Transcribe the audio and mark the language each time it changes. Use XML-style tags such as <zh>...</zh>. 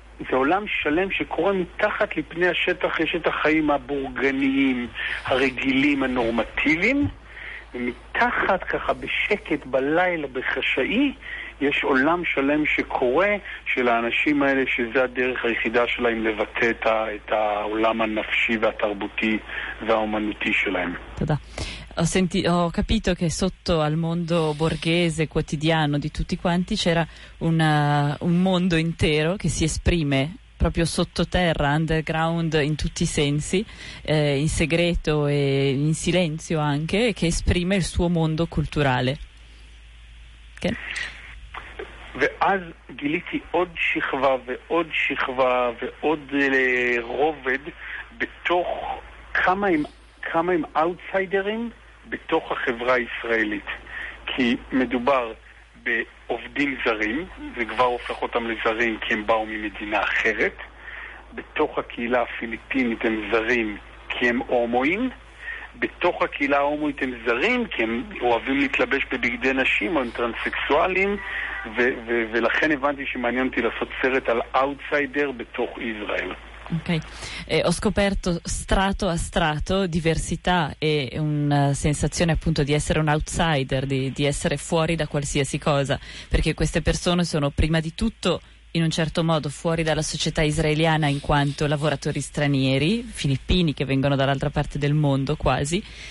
<he>זה עולם שלם שקורה מתחת לפני השטח, לשטח החיים הבורגניים, הרגילים, הנורמטיביים, ומתחת ככה בשקט, בלילה, בחשאי, יש עולם שלם שקורה של האנשים האלה, שזה הדרך היחידה שלהם לבטא את העולם הנפשי והתרבותי והאומנותי שלהם. תודה.</he> <it>Ho capito che sotto al mondo borghese quotidiano di tutti quanti c'era un mondo intero che si esprime proprio sottoterra, underground in tutti i sensi, in segreto e in silenzio anche, che esprime il suo mondo culturale.</it> <en>Okay.</en> <he>ואז גיליתי עוד שכבה ועוד שכבה ועוד רובד בתוך כמה הם אאוטסיידרים בתוך החברה הישראלית, כי מדובר בעובדים זרים, זה כבר הופך אותם לזרים כי הם באו ממדינה אחרת, בתוך הקהילה הפיליפינית הם זרים כי הם הומואים, בתוך הקהילה ההומואית הם זרים כי הם אוהבים להתלבש בבגדי נשים או הם טרנסקסואלים, ולכן הבנתי שמעניין אותי לעשות סרט על אאוטסיידר בתוך ישראל.</he> <en>Okay.</en> <it>Ho scoperto strato a strato diversità e una sensazione appunto di essere un outsider, di essere fuori da qualsiasi cosa, perché queste persone sono prima di tutto in un certo modo fuori dalla società israeliana in quanto lavoratori stranieri, filippini che vengono dall'altra parte del mondo quasi,</it>